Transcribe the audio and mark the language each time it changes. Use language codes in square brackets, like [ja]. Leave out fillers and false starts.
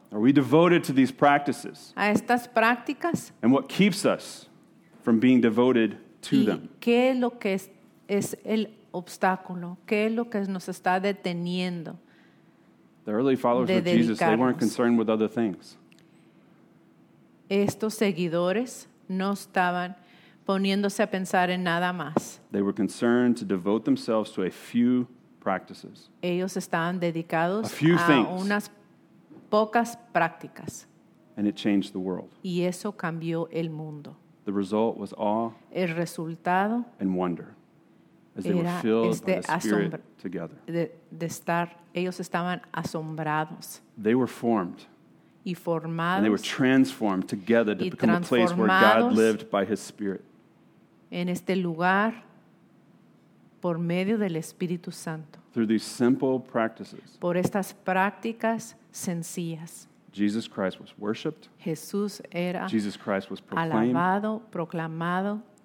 [en] Are we devoted to these practices? [es] A estas prácticas? [en] And what keeps us from being devoted to them? [es] ¿Qué es lo que es el obstáculo? ¿Qué es lo que nos está deteniendo? [en] The early followers of Jesus, they weren't concerned with other things. [es] Estos seguidores no estaban poniéndose a pensar en nada más. [en] They were concerned to devote themselves to a few practices. [es] Ellos estaban dedicados [en] a few things. [es] A unas pocas prácticas. [en] And it changed the world. [es] Y eso cambió el mundo. [en] The result was awe [es] el resultado [en] and wonder. As they were filled by the Spirit together. [es] De estar, ellos estaban asombrados. [en] They were formed. [es] Y formados. [en] And they were transformed together to become a place where God lived by His Spirit. [es] En este lugar, por medio del Espíritu Santo. [en] Through these simple practices. [es] Por estas prácticas sencillas. [en] Jesus Christ was worshipped. [es] Jesús era [en] Jesus Christ was proclaimed. [es] Alabado, proclamado.